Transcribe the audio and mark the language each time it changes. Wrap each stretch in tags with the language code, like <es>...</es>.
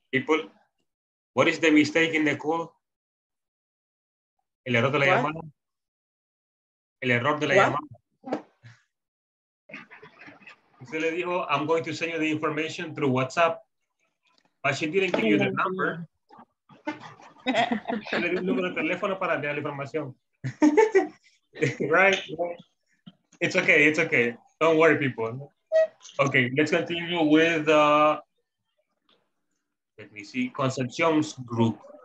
<en>People, what is the mistake in the call?</en> <es>El error de la what? Llamada. El error de la what? Llamada. Se le dijo,</es> <en>I'm going to send you the information through WhatsApp. But she didn't give you the number.</en> <es>Se le dio un número de teléfono para enviar la información.</es> <en>Right? It's okay, it's okay. Don't worry, people. Okay, let's continue with let me see, Concepcion's group.</en>